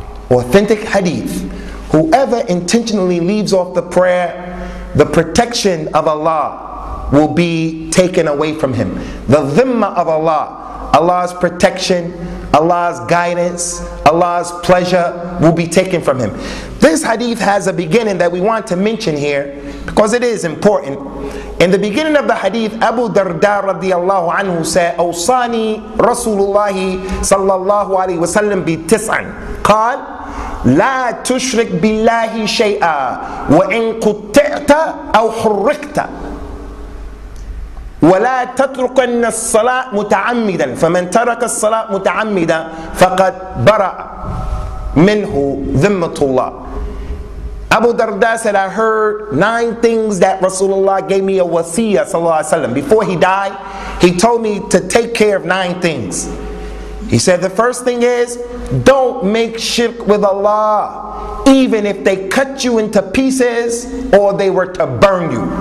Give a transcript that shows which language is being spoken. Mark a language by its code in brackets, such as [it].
[en] Authentic hadith. Whoever intentionally leaves off the prayer, the protection of Allah will be taken away from him. The dhimma of Allah, Allah's protection, Allah's guidance, Allah's pleasure will be taken from him. This hadith has a beginning that we want to mention here because it is important. In the beginning of the hadith, Abu Darda radiallahu anhu said, [ar] أوصاني رسول الله صلى الله عليه وسلم بتسع قال لا تشرك بالله شيئا وإن قطعت أو حركت ولا تتركن الصلاة متعمدا فمن ترك الصلاة متعمدا فقد برأ منه ذمة الله. [en] Abu Darda said, I heard 9 things that Rasulullah gave me a wasiyah, sallallahu alaihi wasallam. Before he died, he told me to take care of 9 things. He said, the first thing is, don't make shirk with Allah. even if they cut you into pieces or they were to burn you.